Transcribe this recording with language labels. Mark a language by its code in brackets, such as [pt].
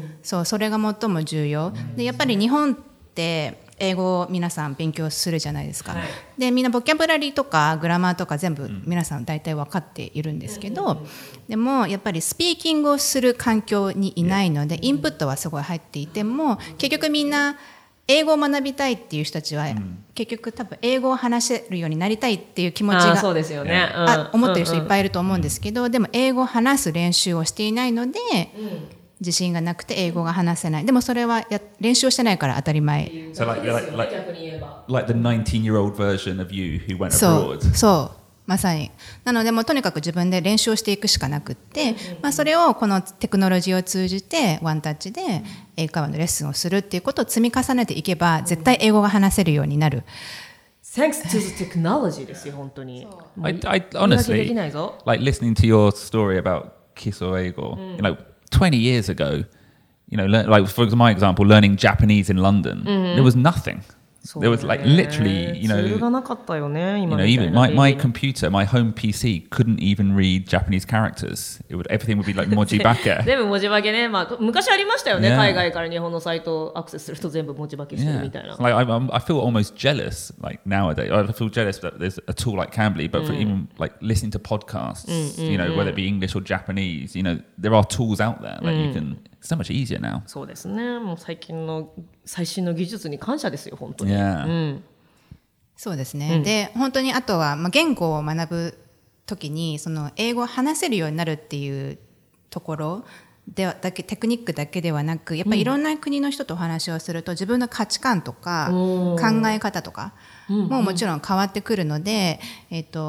[ja] そう、それが最も重要で、やっぱり日本って英語を皆さん勉強するじゃないですか、でみんなボキャブラリーとかグラマーとか全部皆さん大体分かっているんですけど、でもやっぱりスピーキングをする環境にいないので、インプットはすごい入っていても、結局みんな英語を学びたいっていう人たちは、結局多分英語を話せるようになりたいっていう気持ちが、そうですよね、思ってる人いっぱいいると思うんですけど、でも英語を話す練習をしていないので自信がなくて英語が話せない。でもそれは練習してないから当たり前。 [en] So like the 19-year-old version of you who went abroad. [ja] そう、まさに。なのでもとにかく自分で練習をしていくしかなくって、まあ、それをこのテクノロジーを通じてワンタッチで英会話のレッスンをするっていうことを積み重ねていけば絶対英語が話せるようになる。 [en] Thanks to the technology [ja] ですよ、本当に。 [en] I honestly, like listening to your story about Kiso Eigo, you know, 20 years ago, you know, like for my example, learning Japanese in London, there was nothing. There was like literally, you know, even my computer, my home PC couldn't even read Japanese characters. It would, everything would be like mojibake. [ja] 全部mojibake ね。まあ昔ありましたよね。海外から日本のサイトアクセスすると全部mojibakeしてるみたいな。 [en] Like I feel almost jealous like nowadays. I feel jealous that there's a tool like Cambly, but for even like listening to podcasts, you know, whether it be English or Japanese, you know, there are tools out there that you can... It's so much easier now. [ja] そうですね。もう最近の最新の技術に感謝ですよ、本当に。 [en] Yeah. [ja] うん、そうですね。うん、で、本当にあとは、まあ、言語を学ぶときに、その英語を話せるようになるっていうところでだけ、テクニックだけではなく、やっぱりいろんな国の人とお話をすると、うん、自分の価値観とか、考え方とか、もちろん変わってくるので、まあ、